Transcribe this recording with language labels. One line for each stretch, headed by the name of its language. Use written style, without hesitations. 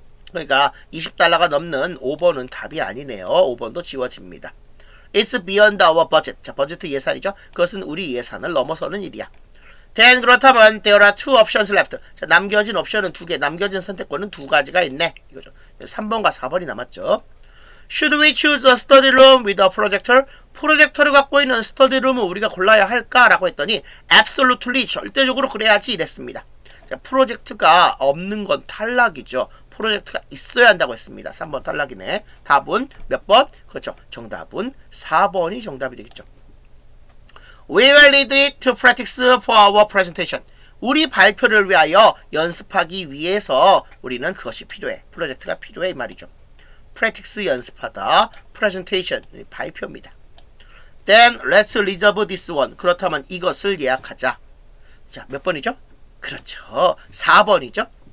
Korean: 그러니까 $20가 넘는 5번은 답이 아니네요. 5번도 지워집니다.
English: It's beyond our budget.
Korean: 자, 버지트 예산이죠. 그것은 우리 예산을 넘어서는 일이야.
English: Then
Korean: 그렇다면
English: there are two options left.
Korean: 자, 남겨진 옵션은 두 개, 남겨진 선택권은 두 가지가 있네. 이거죠. 3번과 4번이 남았죠.
English: Should we choose a study room with a projector?
Korean: 프로젝터를 갖고 있는 스터디 룸을 우리가 골라야 할까? 라고 했더니
English: absolutely,
Korean: 절대적으로 그래야지 이랬습니다. 자, 프로젝트가 없는 건 탈락이죠. 프로젝트가 있어야 한다고 했습니다. 3번 탈락이네. 답은 몇 번? 그렇죠. 정답은 4번이 정답이 되겠죠.
English: We will need it to practice for our presentation.
Korean: 우리 발표를 위하여 연습하기 위해서 우리는 그것이 필요해. 프로젝트가 필요해 이 말이죠. practice 연습하다, presentation 발표입니다.
English: Then let's reserve this one.
Korean: 그렇다면 이것을 예약하자. 자, 몇 번이죠? 그렇죠. 4번이죠.